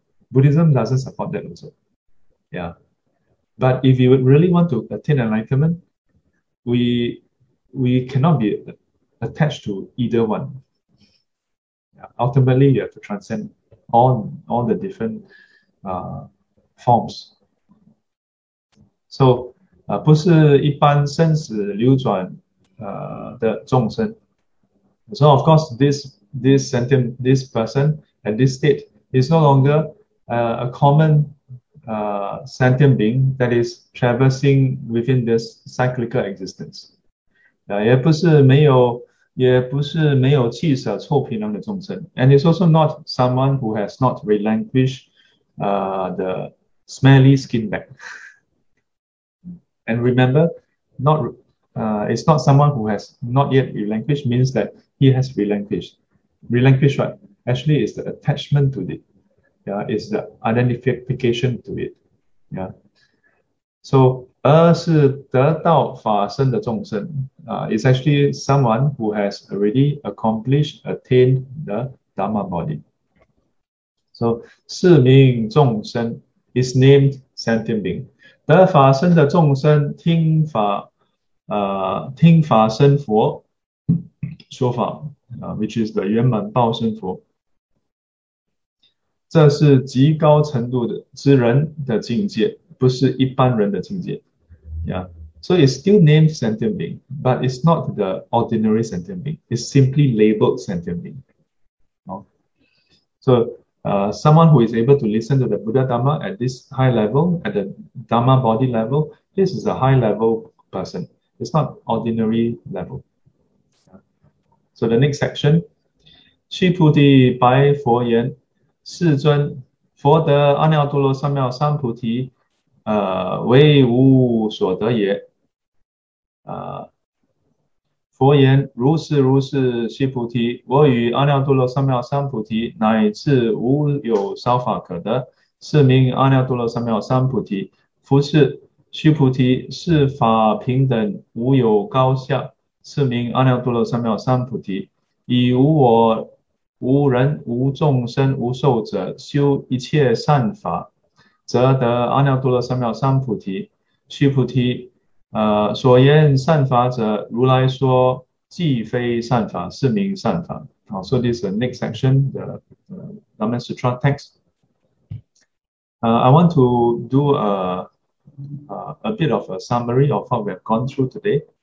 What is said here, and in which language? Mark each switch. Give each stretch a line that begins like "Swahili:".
English: Buddhism doesn't support that also. Yeah. But if you would really want to attain enlightenment, we cannot be attached to either one. Yeah. Ultimately, you have to transcend all the different forms.
Chinese: So, 不是一般生死流转的众生.
English: So of course, this sentient, this person at this state is no longer a common sentient being that is traversing within this cyclical existence.
Chinese: 也不是没有弃舍臭皮囊的众生,
English: and it's also not someone who has not relinquished the smelly skin bag. And remember, not it's not someone who has not yet relinquished means that he has relinquished. Relinquish what? Actually, is the attachment to it. Yeah, is the identification to it. Yeah. So,
Chinese: 而是得道法身的众生,
English: is actually someone who has already accomplished, attained the Dharma body. So,
Chinese: 是名众生
English: is named sentient being.
Chinese: 得法身的众生听法, 听法身佛 说法啊，
English: which is the
Chinese: 圆满报身佛，这是极高程度的之人的境界，不是一般人的境界。
English: Yeah, so it's still named sentient being, but it's not the ordinary sentient being. It's simply labeled sentient being. So, someone who is able to listen to the Buddha Dharma at this high level, at the Dharma body level, this is a high level person. It's not ordinary level. So the next section,
Chinese: 须菩提白佛言：世尊，佛得阿耨多罗三藐三菩提，为吾所得也。佛言：如是如是，须菩提，我与阿耨多罗三藐三菩提，乃至无有烧法可得，是名阿耨多罗三藐三菩提。复是，须菩提，是法平等，无有高下，是名阿耨多罗三藐三菩提。以无我无人、无众生、无寿者，修一切善法，则得阿耨多罗三藐三菩提。须菩提，所言善法者，如来说即非善法，是名善法。好，
English: so this is the next section, the Dhamma Sutra text. I want to do a bit of a summary of what we have gone through today.